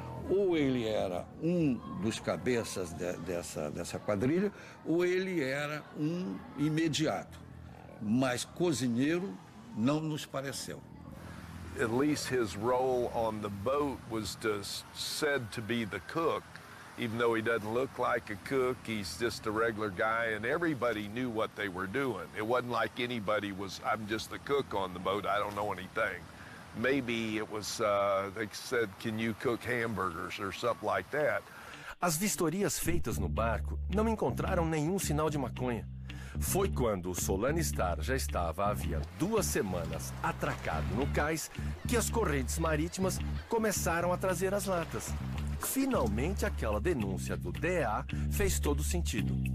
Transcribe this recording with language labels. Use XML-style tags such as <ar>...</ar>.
<pt>Ou ele era um dos cabeças dessa quadrilha, ou ele era um imediato. Mas cozinheiro não nos pareceu.</pt> <en>At least his role on the boat was just said to be the cook, even though he doesn't look like a cook, he's just a regular guy, and everybody knew what they were doing. It wasn't like anybody was, I'm just the cook on the boat, I don't know anything. Maybe it was, they said, can you cook hamburgers or something like that?</en> <pt>As vistorias feitas no barco não encontraram nenhum sinal de maconha. Foi quando o Solana Star já estava havia duas semanas atracado no cais que as correntes marítimas começaram a trazer as latas. Finalmente, aquela denúncia do DEA fez todo sentido.</pt>